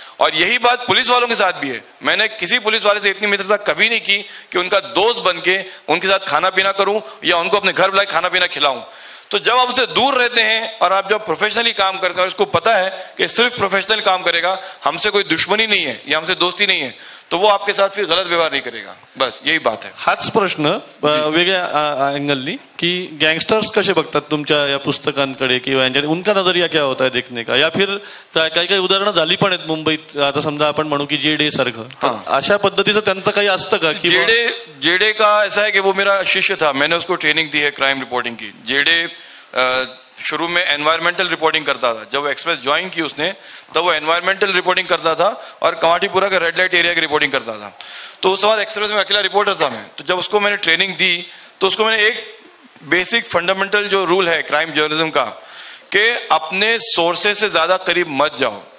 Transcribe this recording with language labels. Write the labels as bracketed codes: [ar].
[hi] और यही बात पुलिस वालों के साथ भी है. मैंने किसी पुलिस वाले से इतनी मित्रता कभी नहीं की कि उनका दोस्त बन के उनके साथ खाना पीना करूं या उनको अपने घर बुलाए खाना पीना खिलाऊं. तो जब आप उसे दूर रहते हैं और आप जब प्रोफेशनली काम करते हैं उसको पता है कि सिर्फ प्रोफेशनल काम करेगा हमसे कोई दुश्मनी नहीं है या हमसे दोस्ती नहीं है तो वो आपके साथ फिर गलत व्यवहार नहीं करेगा. बस यही बात है. [mr] हाच प्रश्न एंगलनी कि गैंगस्टर्स कसे बघतात तुमच्या या पुस्तकांकडे किंवा [hi] उनका नजरिया क्या होता है देखने का [mr] या फिर काही काही उदाहरणं झाली पण आहेत मुंबईत आता समजा आपण म्हणू की जेडे सारखं अशा पद्धतीचं त्यांचं काही असतं का. [hi] जेडे का ऐसा है कि वो मेरा शिष्य था मैंने उसको ट्रेनिंग दी है क्राइम रिपोर्टिंग की. जेडे शुरू में एनवायरमेंटल रिपोर्टिंग करता था जब वो एक्सप्रेस ज्वाइन की उसने तब वो एनवायरमेंटल रिपोर्टिंग करता था और कवाटीपुरा के रेड लाइट एरिया की रिपोर्टिंग करता था. तो उस समय एक्सप्रेस में अकेला रिपोर्टर था मैं तो जब उसको मैंने ट्रेनिंग दी तो उसको मैंने एक बेसिक फंडामेंटल जो रूल है क्राइम जर्नलिज्म का कि अपने सोर्सेज से ज्यादा करीब मत जाओ.